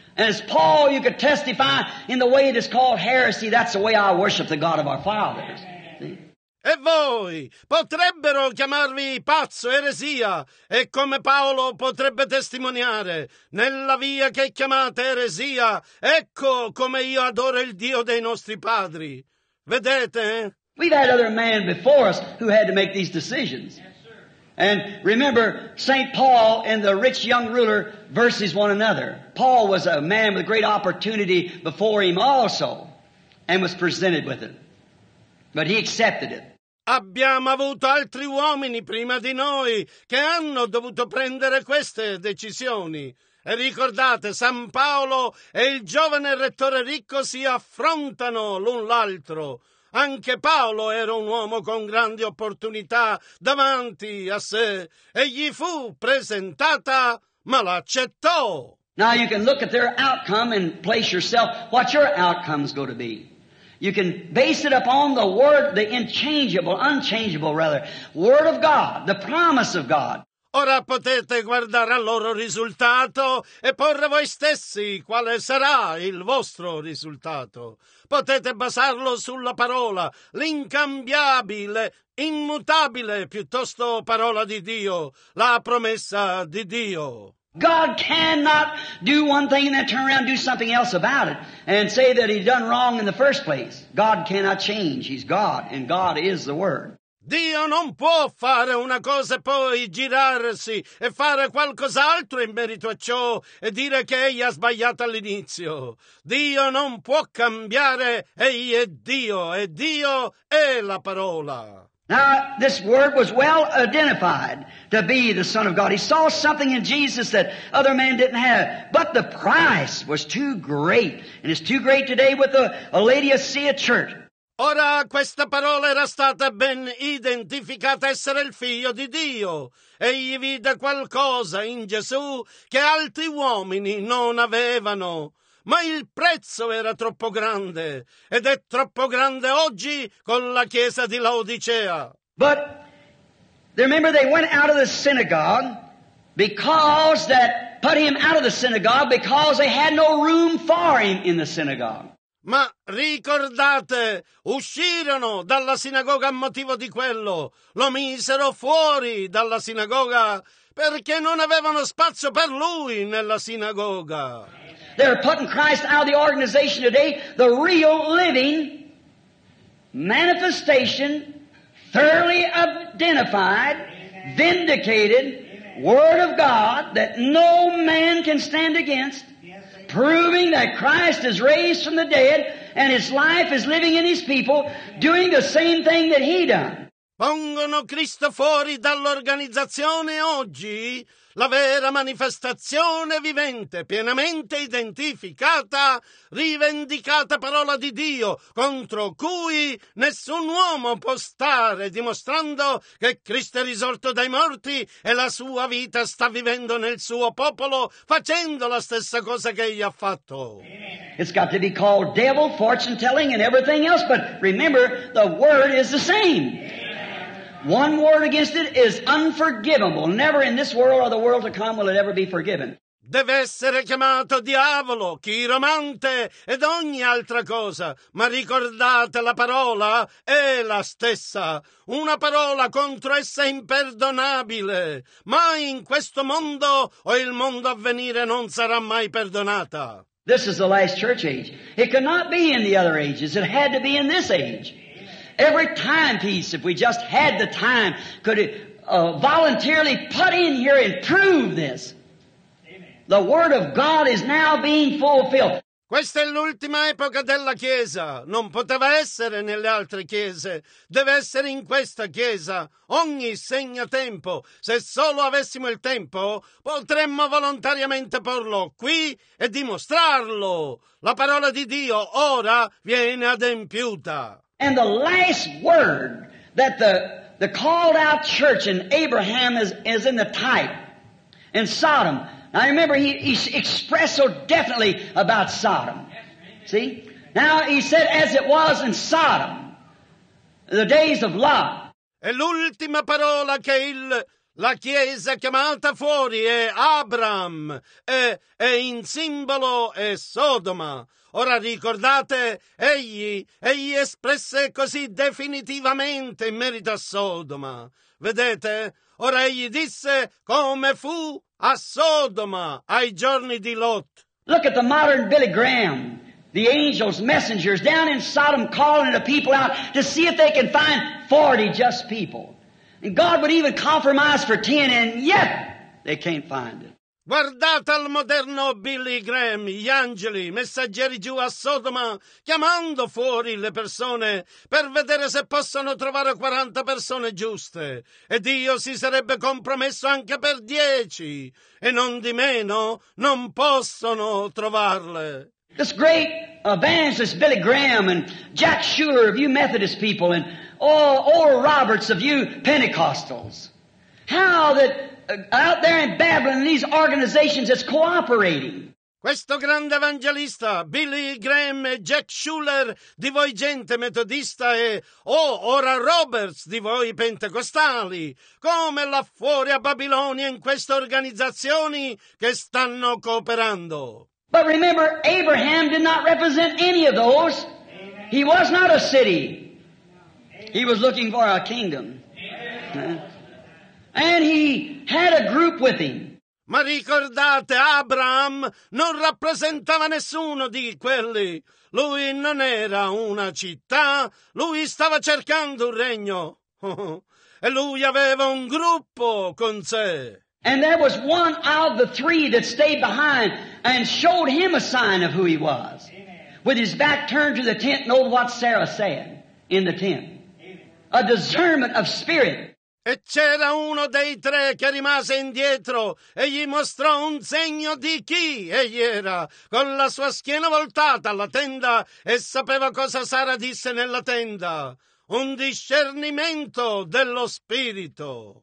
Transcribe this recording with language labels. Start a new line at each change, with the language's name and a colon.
English: As Paul, you could testify in the way it is called heresy, that's the way I worship the God of our fathers.
Italian: E voi, potrebbero chiamarvi pazzo, eresia, e come Paolo potrebbe testimoniare, nella via che chiamate eresia, ecco come io adoro il Dio dei nostri padri. Vedete?
English: We've had other men before us who had to make these decisions. Yes, sir. And remember, St. Paul and the rich young ruler versus one another. Paul was a man with great opportunity before him also, and was presented with it. But he accepted it.
Italian: Abbiamo avuto altri uomini prima di noi che hanno dovuto prendere queste decisioni. E ricordate, San Paolo e il giovane rettore ricco si affrontano l'un l'altro. Anche Paolo era un uomo con grandi opportunità davanti a sé. E gli fu presentata, ma l'accettò.
English: Now you can look at their outcome and place yourself what your outcome's going to be. You can base it upon the word, the unchangeable word of God, the promise of God.
Italian: Ora potete guardare al loro risultato e porre voi stessi quale sarà il vostro risultato. Potete basarlo sulla parola, l'incambiabile, immutabile, piuttosto parola di Dio, la promessa di Dio.
English: God cannot do one thing and then turn around and do something else about it and say that he's done wrong in the first place. God cannot change. He's God, and God is the Word.
Italian: Dio non può fare una cosa e poi girarsi e fare qualcos'altro in merito a ciò e dire che egli ha sbagliato all'inizio. Dio non può cambiare, egli è Dio e Dio è la parola.
English: Now, this word was well identified to be the Son of God. He saw something in Jesus that other men didn't have. But the price was too great, and it's too great today with a Laodicea church.
Italian: Ora questa parola era stata ben identificata essere il figlio di Dio. Egli vide qualcosa in Gesù che altri uomini non avevano. Ma il prezzo era troppo grande, ed è troppo grande oggi con la chiesa di Laodicea.
English: But remember they went out of the synagogue because that put him out of the synagogue because they had no room for him in the synagogue.
Italian: Ma ricordate, uscirono dalla sinagoga a motivo di quello, lo misero fuori dalla sinagoga perché non avevano spazio per lui nella sinagoga.
English: They're putting Christ out of the organization today, the real living manifestation, thoroughly identified, vindicated Word of God that no man can stand against. Proving that Christ is raised from the dead and his life is living in his people, doing the same thing that he done.
Italian: Pongono Cristo fuori dall'organizzazione oggi, la vera manifestazione vivente, pienamente identificata, rivendicata parola di Dio, contro cui nessun uomo può stare, dimostrando che Cristo è risorto dai morti e la sua vita sta vivendo nel suo popolo, facendo la stessa cosa che egli ha fatto.
English: It's got to be called devil, fortune telling and everything else, but remember, the word is the same. One word against it is unforgivable. Never in this world or the world to come will it ever be forgiven.
Italian: Deve essere chiamato diavolo, chiromante ed ogni altra cosa. Ma ricordate, la parola è la stessa. Una parola contro essa è imperdonabile. Mai in questo mondo o il mondo a venire non sarà mai perdonata.
English: This is the last church age. It could not be in the other ages. It had to be in this age. Every timepiece, if we just had the time, could voluntarily put in here and prove this. Amen. The Word of God is now being fulfilled.
Italian: Questa è l'ultima epoca della Chiesa. Non poteva essere nelle altre Chiese. Deve essere in questa Chiesa. Ogni segna tempo. Se solo avessimo il tempo, potremmo volontariamente porlo qui e dimostrarlo. La parola di Dio ora viene adempiuta.
English: And the last word that the called out church in Abraham is in the type, in Sodom. Now remember, he expressed so definitely about Sodom. See? Now he said, as it was in Sodom, the days of Lot.
Italian: E l'ultima parola che la Chiesa chiamata fuori è Abram, e in simbolo è Sodoma. Ora ricordate, egli espresse così definitivamente in merito a Sodoma. Vedete? Ora egli disse come fu a Sodoma, ai giorni di Lot.
English: Look at the modern Billy Graham, the angels, messengers, down in Sodom calling the people out to see if they can find 40 just people. And God would even compromise for 10, and yet they can't find it.
Italian: Guardate al moderno Billy Graham, gli angeli, messaggeri giù a Sodoma, chiamando fuori le persone per vedere se possono trovare 40 persone giuste. E Dio si sarebbe compromesso anche per 10, e non di meno non possono trovarle.
English: This great evangelist Billy Graham and Jack Shuler of you Methodist people and Oral Roberts of you Pentecostals. How that out there in Babylon, these organizations, it's cooperating.
Italian: Questo grande evangelista, Billy Graham e Jack Schuller, di voi gente metodista e, oh, ora Roberts, di voi pentecostali, come là fuori a Babilonia in queste organizzazioni che stanno cooperando.
English: But remember, Abraham did not represent any of those. He was not a city. He was looking for a kingdom. And he had a group with him.
Italian: Ma ricordate, Abraham non rappresentava nessuno di quelli. Lui non era una città, lui stava cercando un regno. E lui aveva un gruppo con sé.
English: And there was one out of the three that stayed behind and showed him a sign of who he was. Amen. With his back turned to the tent, know what Sarah said in the tent. Amen. A discernment of spirit.
Italian: E c'era uno dei tre che rimase indietro e gli mostrò un segno di chi egli era, con la sua schiena voltata alla tenda, e sapeva cosa Sara disse nella tenda. Un discernimento dello spirito.